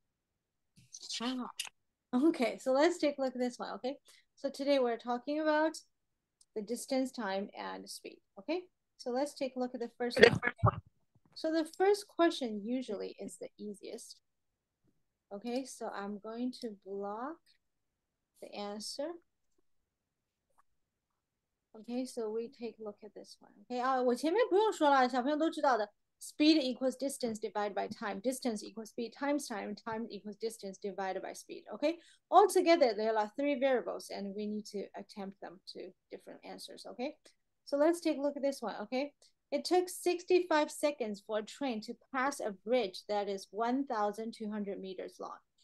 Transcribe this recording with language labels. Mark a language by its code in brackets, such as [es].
[zh] 我觉得最讨厌的就是这个题目。Oliver是不是最讨厌这题目？还好。 [en] Okay, so let's take a look at this one, okay? So today we're talking about the distance, time, and speed, okay? So let's take a look at the first one. So the first question usually is the easiest. Okay, so I'm going to block the answer. Okay, so we take a look at this one. [zh] Okay, 我前面不用说了，小朋友都知道的. [en] Speed equals distance divided by time. Distance equals speed times time. Time equals distance divided by speed. Okay, all together there are 3 variables, and we need to attempt them to different answers. Okay, so let's take a look at this one. Okay, it took 65 seconds for a train to pass a bridge that is 1,200 meters long.